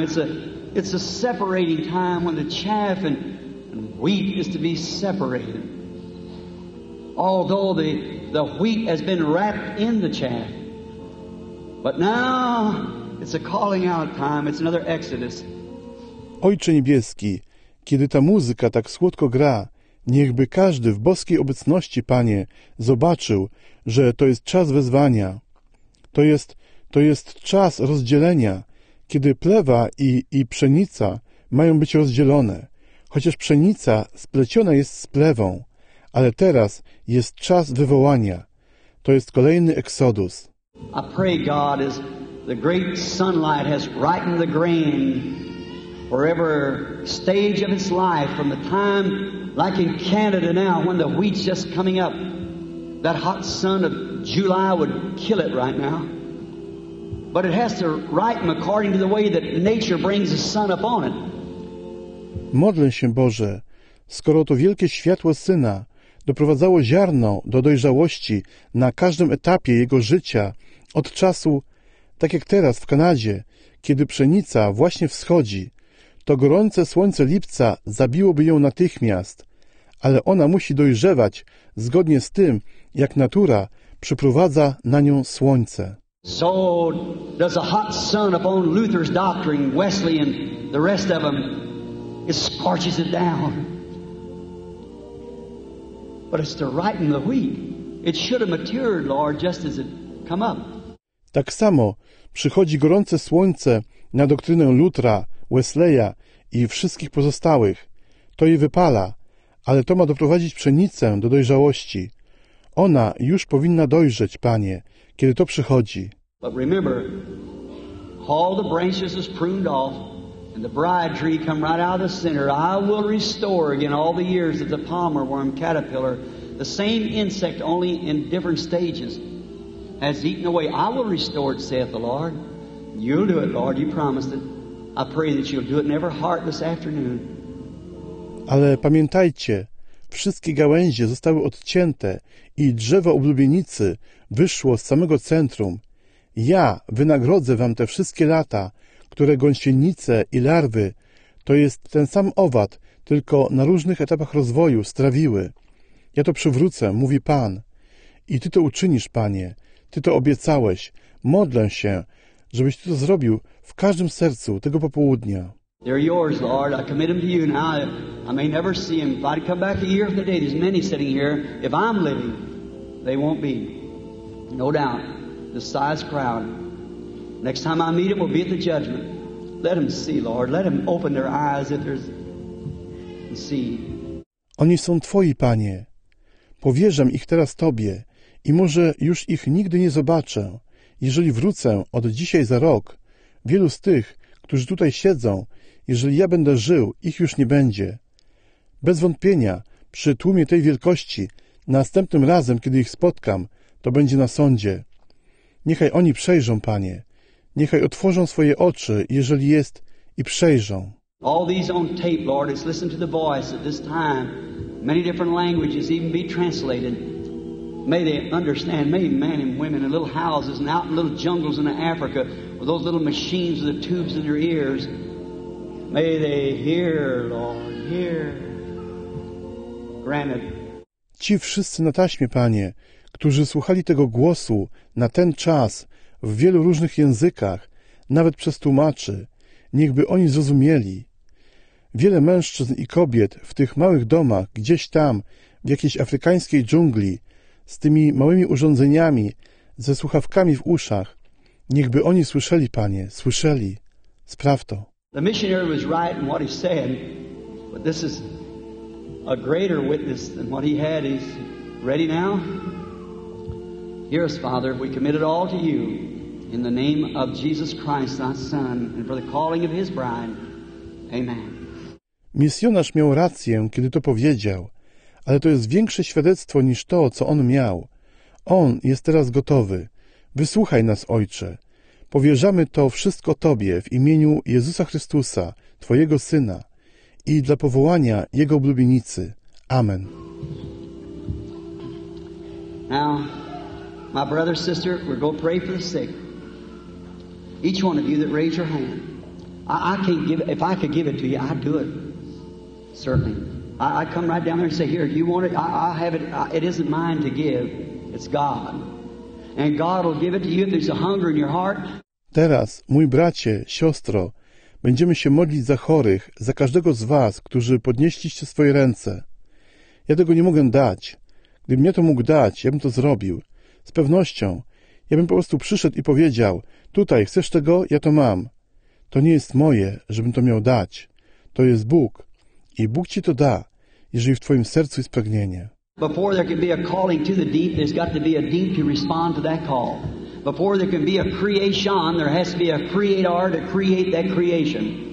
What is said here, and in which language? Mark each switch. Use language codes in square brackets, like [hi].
[en] It's a separating time when the chaff and wheat is to be separated. Although the wheat has been wrapped in the chaff. But now it's a calling out time. It's another exodus. [pl] Ojcze Niebieski, kiedy ta muzyka tak słodko gra, niechby każdy w boskiej obecności, Panie, zobaczył, że to jest czas wezwania. To jest czas rozdzielenia. Kiedy plewa i pszenica mają być rozdzielone, chociaż pszenica spleciona jest z plewą, ale teraz jest czas wywołania. To jest kolejny eksodus. [en] I pray God as the great sunlight has ripened the grain for every stage of its life from the time like in Canada now when the wheat's just coming up. That hot sun of July would kill it right now. But it has to ripen according to the way that nature brings the sun upon it. [pl] Modlę się, Boże, skoro to wielkie światło Syna doprowadzało ziarno do dojrzałości na każdym etapie jego życia, od czasu, tak jak teraz w Kanadzie, kiedy pszenica właśnie wschodzi, to gorące słońce lipca zabiłoby ją natychmiast, ale ona musi dojrzewać zgodnie z tym, jak natura przyprowadza na nią słońce. [en] So does the hot sun upon Luther's doctrine, Wesley and the rest of them, it scorches it down. But it's to ripen the wheat. It should have matured, Lord, just as it come up. [pl] Tak samo przychodzi gorące słońce na doktrynę Lutra, Wesleya i wszystkich pozostałych. To je wypala, ale to ma doprowadzić pszenicę do dojrzałości. Ona już powinna dojrzeć, Panie, kiedy to przychodzi. [en] But remember, all the branches was pruned off, And the bride tree come right out of the center. I will restore again all the years of the palmer worm caterpillar, the same insect only in different stages, has eaten away. I will restore it, saith the Lord. You'll do it, Lord. You promised it. I pray that you'll do it in every heart this afternoon. [pl] Ale pamiętajcie, wszystkie gałęzie zostały odcięte i drzewo oblubienicy wyszło z samego centrum. Ja wynagrodzę wam te wszystkie lata, które gąsienice i larwy, to jest ten sam owad, tylko na różnych etapach rozwoju, strawiły. Ja to przywrócę, mówi Pan. I Ty to uczynisz, Panie. Ty to obiecałeś. Modlę się, żebyś Ty to zrobił w każdym sercu tego popołudnia. [en] They're yours, Lord. I commit them to you now. I may never see them. If I'd come back a year from today, there's many sitting here. If I'm living, they won't be. No doubt. The size crowd. Next time I meet them, we'll be at the judgment. Let them see, Lord. Let them open their eyes if there's and see. [pl] Oni są Twoi, Panie. Powierzam ich teraz Tobie i może już ich nigdy nie zobaczę. Jeżeli wrócę od dzisiaj za rok, wielu z tych, którzy tutaj siedzą, jeżeli ja będę żył, ich już nie będzie. Bez wątpienia, przy tłumie tej wielkości, następnym razem, kiedy ich spotkam, to będzie na sądzie. Niechaj oni przejrzą, Panie. Niechaj otworzą swoje oczy, jeżeli jest, i przejrzą. [en] All these on tape, Lord, is listen to the voice at this time. Many different languages even be translated. May they understand, may men and women in little houses and out in little jungles in Africa with those little machines with the tubes in their ears. May they hear, Lord, hear. Granted. [pl] Ci wszyscy na taśmie, Panie, którzy słuchali tego głosu na ten czas w wielu różnych językach, nawet przez tłumaczy, niechby oni zrozumieli. Wiele mężczyzn i kobiet w tych małych domach, gdzieś tam, w jakiejś afrykańskiej dżungli, z tymi małymi urządzeniami, ze słuchawkami w uszach, niechby oni słyszeli, Panie, słyszeli. Spraw to. [en] The missionary was right in what he said, but this is a greater witness than what he had. He's ready now? Hear us, Father, we commit it all to you in the name of Jesus Christ, our Son, and for the calling of his bride. Amen. [pl] Misjonarz miał rację, kiedy to powiedział, ale to jest większe świadectwo niż to, co on miał. On jest teraz gotowy. Wysłuchaj nas, Ojcze. Powierzamy to wszystko Tobie w imieniu Jezusa Chrystusa, Twojego Syna i dla powołania Jego oblubienicy. Amen. [en] Now, my brother, sister, we're going to pray for the sick. Each one of you that raise your hand. If I could give it to you, I'd do it. Certainly. I come right down there and say, here, you want it? I have it. It isn't mine to give. It's God. And God will give it to you if there's a hunger in your heart. [pl] Teraz, mój bracie, siostro, będziemy się modlić za chorych, za każdego z was, którzy podnieśliście swoje ręce. Ja tego nie mogę dać. Gdybym ja to mógł dać, ja bym to zrobił. Z pewnością. Ja bym po prostu przyszedł i powiedział, tutaj, chcesz tego? Ja to mam. To nie jest moje, żebym to miał dać. To jest Bóg. I Bóg ci to da, jeżeli w twoim sercu jest pragnienie. [en] Before there can be a calling to the deep, there's got to be a deep to respond to that call. Before there can be a creation, there has to be a creator to create that creation.